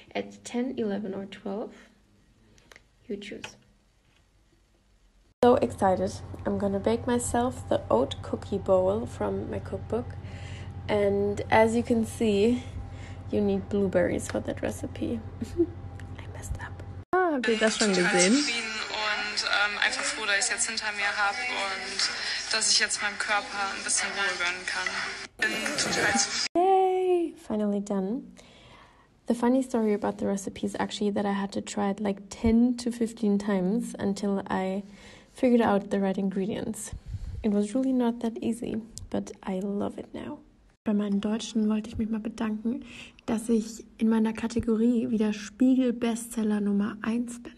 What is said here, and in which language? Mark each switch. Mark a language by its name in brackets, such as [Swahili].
[English] At 10, 11 or 12, you choose. So excited. I'm gonna bake myself the oat cookie bowl from my cookbook, and as you can see, you need blueberries for that recipe. I messed up. [German] Ah, habt ihr das schon gesehen? Und einfach froh, dass ich jetzt hinter mir habe und dass ich jetzt meinem Körper ein bisschen Ruhe gönnen kann. [English] Yay! Finally done. The funny story about the recipe is actually that I had to try it like 10 to 15 times until I figured out the right ingredients. It was really not that easy, but I love it now. [German] Bei meinen Deutschen wollte ich mich mal bedanken, dass ich in meiner Kategorie wieder Spiegel-Bestseller Nummer 1 bin.